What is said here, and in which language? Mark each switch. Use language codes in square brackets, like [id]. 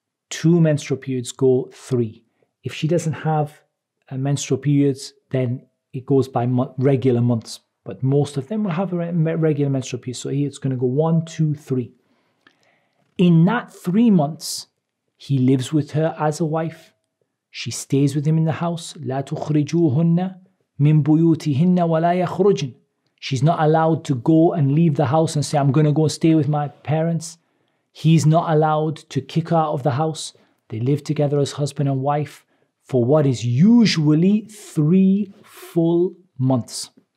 [en] 2 menstrual periods go, 3. If she doesn't have a menstrual periods, then it goes by regular months. But most of them will have a regular menstrual period. So here it's going to go 1, 2, 3. In that 3 months, he lives with her as a wife. She stays with him in the house. [ar] لا تخرجوهن من بيوتهن ولا يخرجن. [en] She's not allowed to go and leave the house and say, I'm going to go stay with my parents. He's not allowed to kick her out of the house. They live together as husband and wife for what is usually 3 full months.